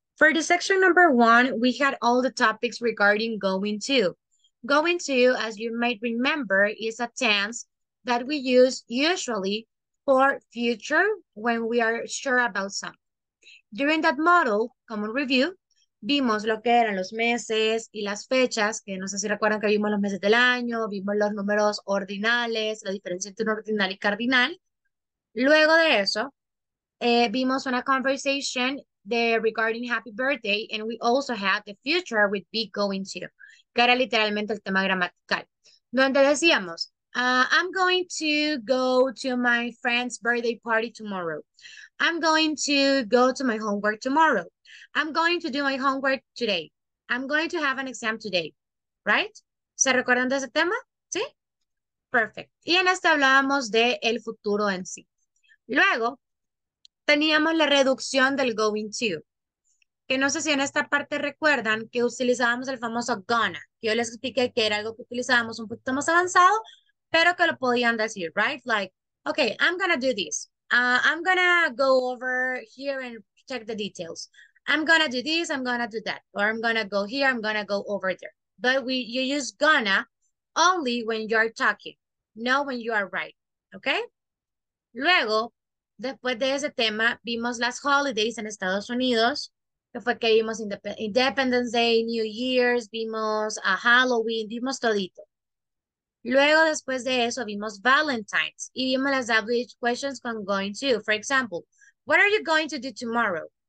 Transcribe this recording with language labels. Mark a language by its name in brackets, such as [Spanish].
[English] For the section number 1, we had all the topics regarding going to. Going to, as you might remember, is a tense that we use usually for future when we are sure about something. During that model, common review, [Spanish] vimos lo que eran los meses y las fechas, que no sé si recuerdan que vimos los meses del año, vimos los números ordinales, la diferencia entre un ordinal y cardinal. Luego de eso, vimos una [English] conversation regarding happy birthday, and we also had the future with be going to, [Spanish] que era literalmente el tema gramatical, donde decíamos, [English] I'm going to go to my friend's birthday party tomorrow. I'm going to go to my homework tomorrow. I'm going to do my homework today. I'm going to have an exam today, right? [Spanish] ¿Se recuerdan de ese tema? ¿Sí? Perfect. Y en este hablábamos de el futuro en sí. Luego, teníamos la reducción del going to, que no sé si en esta parte recuerdan que utilizábamos el famoso gonna. Yo les expliqué que era algo que utilizábamos un poquito más avanzado, pero que lo podían decir, right? [English] Like, okay, I'm gonna do this. I'm gonna go over here and check the details. I'm gonna do this, I'm gonna do that. Or I'm gonna go here, I'm gonna go over there. But you use gonna only when you're talking, not when you are right, okay? [Spanish] Luego, después de ese tema, vimos las holidays en Estados Unidos, que fue que vimos Independence Day, New Year's, vimos a Halloween, vimos todito. Luego, después de eso, vimos Valentine's y vimos las WH questions con going to. [English] For example, what are you going to do tomorrow?